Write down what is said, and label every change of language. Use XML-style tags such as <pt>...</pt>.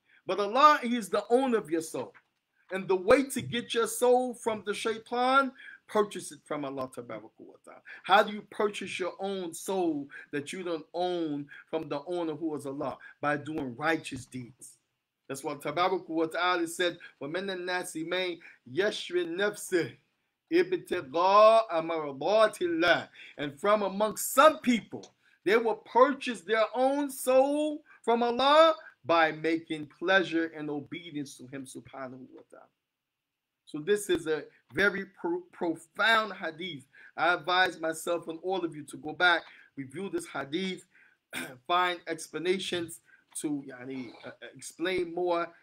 <en>But Allah, he is the owner of your soul. And the way to get your soul from the shaitan, purchase it from Allah tabaraka wa ta'ala. How do you purchase your own soul that you don't own from the owner who is Allah? By doing righteous deeds. That's what tabaraka wa ta'ala said,</en> <ar>وَمَنَ النَّاسِ مَنْ يَشْرِ نَفْسِهِ إِبْتِغَاءَ مَرْضَاتِ اللَّهِ.</ar> <en>And from amongst some people, they will purchase their own soul from Allah by making pleasure and obedience to him subhanahu wa ta'ala. So this is a very profound hadith. I advise myself and all of you to go back, review this hadith, find explanations to explain more.</en>